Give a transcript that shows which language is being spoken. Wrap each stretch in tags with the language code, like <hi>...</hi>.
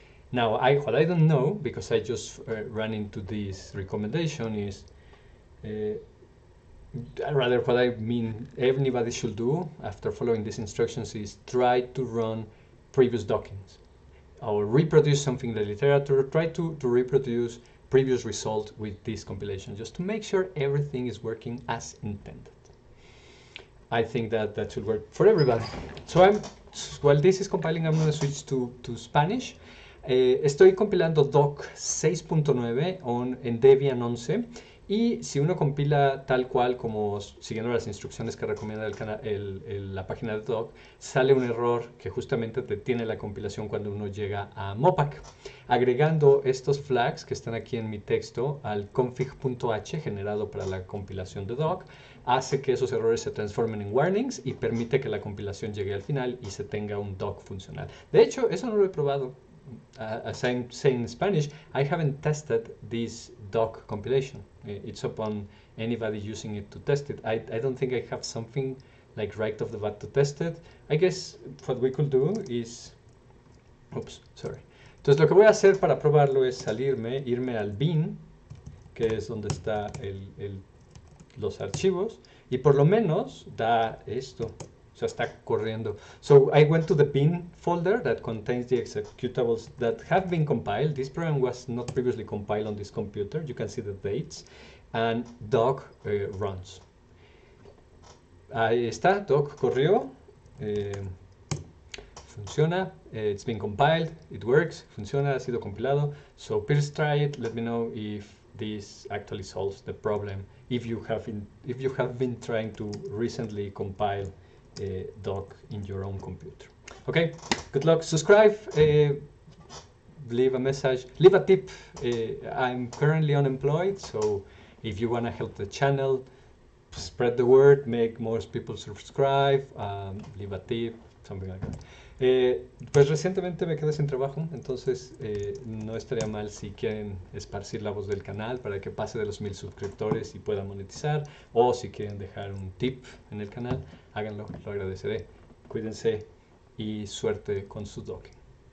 <en>Now, what I don't know, because I just ran into this recommendation, is rather what I mean anybody should do after following these instructions is try to run previous dockings or reproduce something in the literature, try to reproduce previous result with this compilation, just to make sure everything is working as intended. I think that that should work for everybody. So while this is compiling, I'm going to switch to Spanish.</en> <es>Estoy compilando Dock 6.9 en Debian 11. Y si uno compila tal cual, como siguiendo las instrucciones que recomienda la página de Dock, sale un error que justamente detiene la compilación cuando uno llega a mopac. Agregando estos flags que están aquí en mi texto al config.h generado para la compilación de Dock, hace que esos errores se transformen en warnings y permite que la compilación llegue al final y se tenga un doc funcional. De hecho, eso no lo he probado.</es> <en>As I'm saying in Spanish, I haven't tested this doc compilation. It's upon anybody using it to test it. I don't think I have something like right off the bat to test it. I guess what we could do is... Oops, sorry.</en> <es>Entonces, lo que voy a hacer para probarlo es salirme, irme al bin, que es donde está los archivos, y por lo menos da esto, o sea, está corriendo.</es> <en>So I went to the bin folder that contains the executables that have been compiled. This program was not previously compiled on this computer. You can see the dates, and doc runs.</en> <es>Ahí está, doc corrió, funciona,</es> <en>it's been compiled, it works,</en> <es>funciona, ha sido compilado.</es> <en>So please try it, let me know if this actually solves the problem. If you have been trying to recently compile a doc in your own computer. Okay, good luck. Subscribe, leave a message, leave a tip. I'm currently unemployed, so if you want to help the channel, spread the word, make more people subscribe, leave a tip, something like that.</en> <es>Pues recientemente me quedé sin trabajo, entonces no estaría mal si quieren esparcir la voz del canal para que pase de los 1000 suscriptores y pueda monetizar, o si quieren dejar un tip en el canal, háganlo, lo agradeceré. Cuídense y suerte con su docking.</es>